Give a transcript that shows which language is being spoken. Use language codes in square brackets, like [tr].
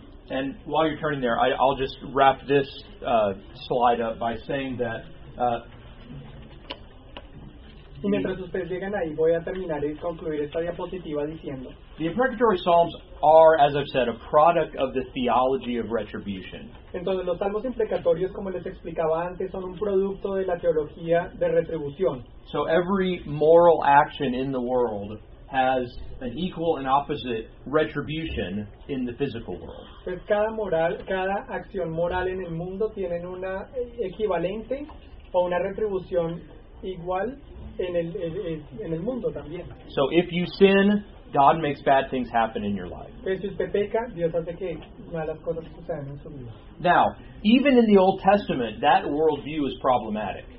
[en] And while you're turning there, I'll just wrap this slide up by saying that [es] Y mientras ustedes llegan ahí, voy a terminar y concluir esta diapositiva diciendo. [en] The imprecatory psalms are, as I've said, a product of the theology of retribution. [es] Entonces, los salmos imprecatorios, como les explicaba antes, son un producto de la teología de retribución. [en] So every moral action in the world has an equal and opposite retribution in the physical world. [es] Pues cada moral, cada acción moral en el mundo tienen una equivalente o una retribución igual en el mundo también. [en] So if you sin, God makes bad things happen in your life. [es] Pues si usted peca, Dios hace que malas cosas sucedan en su vida. [en] Now, even in the Old Testament, that worldview is problematic.